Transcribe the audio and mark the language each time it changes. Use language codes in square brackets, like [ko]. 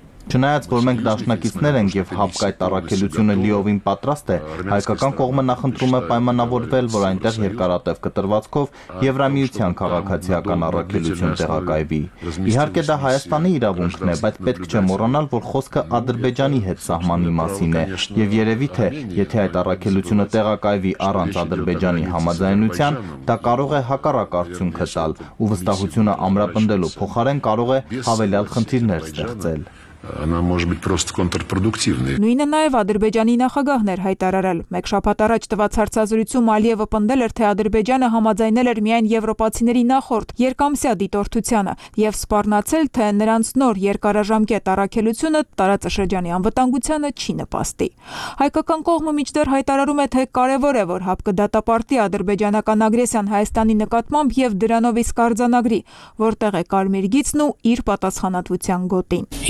[hy] Չնայած, որ մենք դաշնակիցներ ենք և հապկ այդ առաքելությունը լիովին պատրաստ է, հայկական կողմը նախընտրում է պայմանավորվել, որ այնտեղ երկարատև կտրվածքով Եվրամիության քաղաքացիական առաքելություն տեղակայվի։ Իհարկե, դա Հայաստանի իրավունքն է, բայց պետք չէ մոռանալ, որ խոսքը Ադրբեջանի հետ սահմանի մասին է, և երևի թե, եթե այդ առաքելությունը տեղակայվի առանց Ադրբեջանի համաձայնության, դա կարող է հակառակ արդյունքը տալ, ու վստահությունը ամրապնդելու փոխարեն կարող է հավելյալ խնդիրներ ստեղծել։ [ru] Она может быть просто контрпродуктивной. [hy] Նույնը նաև Ադրբեջանի նախագահներ հայտարարել։ Մեկ շաբաթ առաջ տված հարցազրույցում Ալիևը պնդել էր, թե Ադրբեջանը համաձայնել էր միայն եվրոպացիների նախորդ երկամսյա դիտորդությանը և սպառնացել, թե նրանց նոր երկարաժամկետ առաքելությունը տարածաշրջանի անվտանգությանը չի նպաստի։ Հայկական կողմը միջդեռ հայտարարում է, թե կարևոր է, որ հապկը դատապարտի ադրբեջանական ագրեսիան Հայաստանի նկատմամբ և դրանով իսկ արձանագրի, որտեղ է կարմիր գիծն ու իր պատասխանատվության գոտին։